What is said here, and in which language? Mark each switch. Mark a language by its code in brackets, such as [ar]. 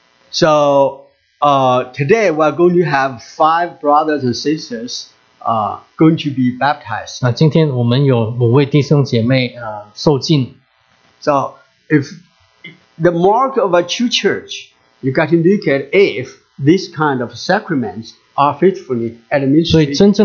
[en] So, today we're going to have five brothers and sisters going to be baptized. [zh] 今天我们有五位弟兄姐妹受浸。 [en] So, if the mark of a true church, you got to look at if this kind of sacraments are faithfully administered.